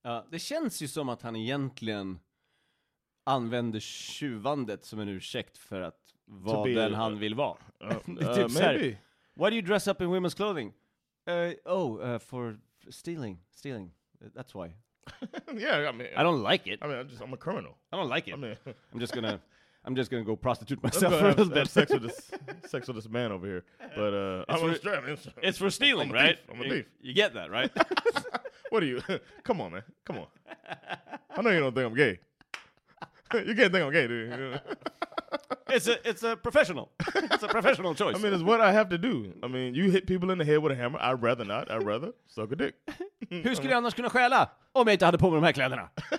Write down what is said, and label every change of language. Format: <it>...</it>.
<sv>Det känns ju som att han egentligen använder tjuvandet som en ursäkt för att vad den han vill vara. typ</sv> <en>maybe.</en> <sv>Här,</sv> <en>why do you dress up in women's clothing? For stealing. Stealing. That's why. Yeah, I mean, I don't like it. I mean, I'm a criminal. I don't like it. I mean, I'm just gonna go prostitute myself for a little bit. Sex with this man over here. But it's for stealing, right? I'm a thief. You get that, right? What are you? Come on, man. Come on. I know you don't think I'm gay. You can't think I'm gay, dude. It's a professional. It's a professional choice. I mean, it's what I have to do. I mean, you hit people in the head with a hammer. I'd rather not. I'd rather suck a dick.</en> <sv>Hur skulle jag annars kunna stjäla om jag inte hade på mig de här kläderna?</sv>